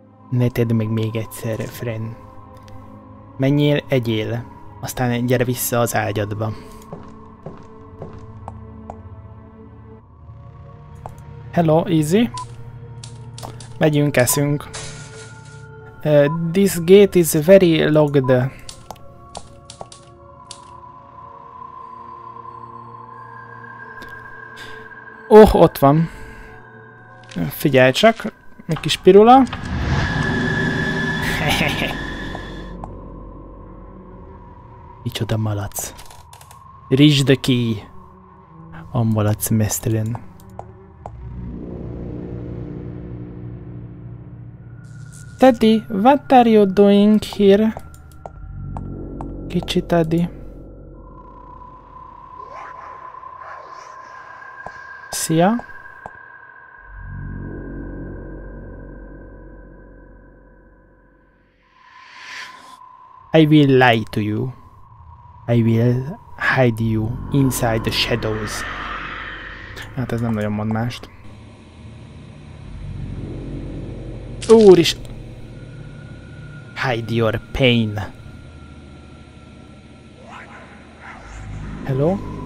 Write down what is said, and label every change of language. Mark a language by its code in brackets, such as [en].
[hu] Ne tedd meg még egyszer, Fren. Menjél, egyél. Aztán gyere vissza az ágyadba. [en] Hello, easy. [hu] Megyünk, eszünk. [en] This gate is very locked. [hu] Oh, ott van. Figyelj csak, egy kis pirula. Micsoda malac. [en] Reach the key. [hu] A malac mesztelen. [en] Teddy, what are you doing here? [hu] Kicsi Teddy. Szia. [en] I will lie to you. I will hide you inside the shadows. [hu] Hát ez nem nagyon mond mást. Úris! [en] Hide your pain. Hello?